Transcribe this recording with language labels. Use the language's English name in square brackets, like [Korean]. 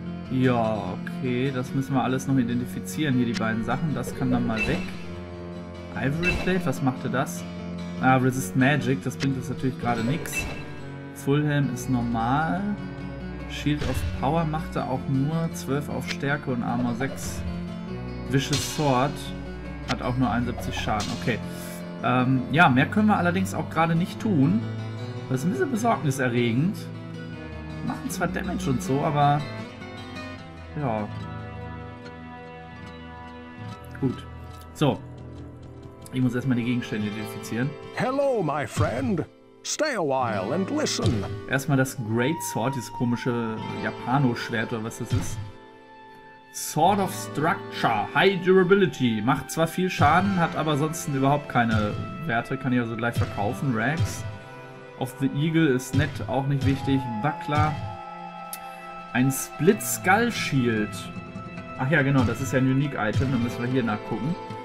[German] Ja, okay, das müssen wir alles noch identifizieren, hier die beiden Sachen. Das kann dann mal weg. Ivory Plate, was machte das? Ah, Resist Magic, das bringt uns natürlich gerade nichts. Full Helm ist normal. Shield of Power machte auch nur 12 auf Stärke und Armor 6. Vicious Sword hat auch nur 71 Schaden. Okay. Ja, mehr können wir allerdings auch gerade nicht tun. Das ist ein bisschen besorgniserregend. Wir machen zwar Damage und so, aber... Ja. Gut. So. Ich muss erstmal die Gegenstände identifizieren. [English] Hello, my friend. Stay a while and listen. [German] Erstmal das Greatsword, dieses komische Japano-Schwert oder was das ist. Sword of Structure, High Durability. Macht zwar viel Schaden, hat aber sonst überhaupt keine Werte. Kann ich also gleich verkaufen. Rags. Of the Eagle ist nett, auch nicht wichtig. Buckler. Ein Split Skull Shield. Ach ja, genau, das ist ja ein Unique Item. Dann müssen wir hier nachgucken.